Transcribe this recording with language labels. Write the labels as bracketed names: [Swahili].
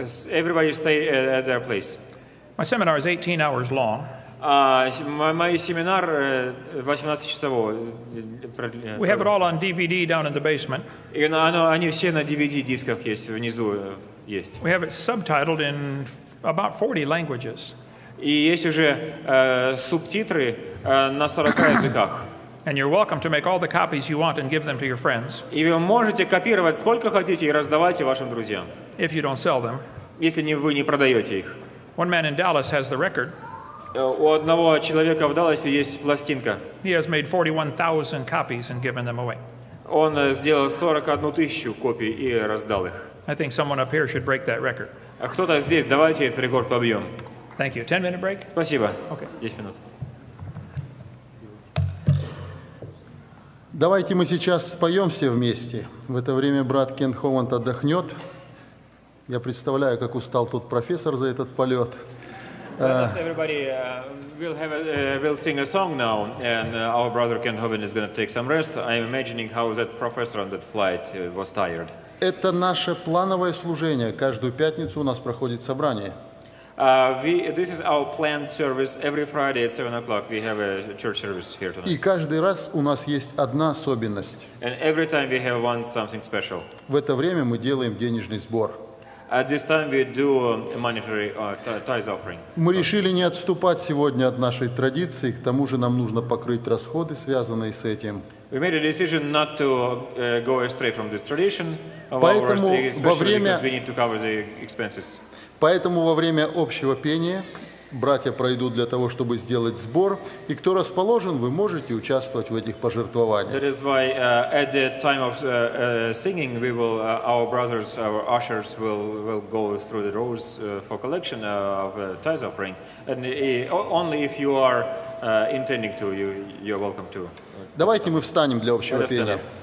[English] Everybody stay at their place. My seminar is 18 hours long. [Russian] Мой семинар 18-часовой. [English] We have it all on DVD down in the basement. [Russian] Они все на DVD-дисках есть, внизу есть. [English] We have it subtitled in about 40 languages. [Russian] И есть уже субтитры на 40 языках. [English] And you're welcome to make all the copies you want and give them to your friends. [Russian] И вы можете копировать сколько хотите и раздавать вашим друзьям. [English] If you don't sell them. [Russian] Если вы не продаете их. [English] One man in Dallas has the record. [Russian] У одного человека в Далласе есть пластинка. [English] He has made 41,000 copies and given them away. [Russian] Он сделал 41 тысячу копий и раздал их. [English] I think someone up here should break that record. [Russian] А кто-то здесь, давайте этот рекорд побьем. [English] Thank you. 10-minute break? [Russian] Спасибо. [English] Okay. [Russian] 10 минут. Давайте мы сейчас споем все вместе. В это время брат Кен Хованд отдохнет. Я представляю, как устал тут профессор за этот полет. [English] Everybody will sing a song now, and our brother Ken Hovind is going to take some rest. I'm imagining how that professor on that flight was tired. [Russian] Это наше плановое служение. Каждую пятницу у нас проходит собрание. [English] This is our planned service. Every Friday at 7 o'clock we have a church service here tonight. [Russian] И каждый раз у нас есть одна особенность. [English] And every time we have one something special. [Russian] В это время мы делаем денежный сбор. [English] At this time we do a monetary tithe offering. [Russian] Мы решили не отступать сегодня от нашей традиции, к тому же нам нужно покрыть расходы, связанные с этим. [English] We made a decision not to go astray from this tradition, [Russian] поэтому [English] because we need to cover the expenses. [Russian] Поэтому во время общего пения братья пройдут для того, чтобы сделать сбор, и кто расположен, вы можете участвовать в этих пожертвованиях. [English] That is why at the time of singing, we will our brothers, our ushers will go through the rows for collection of tithe offering, and only if you are intending to, you're welcome to. [Russian] Давайте мы встанем для общего пения.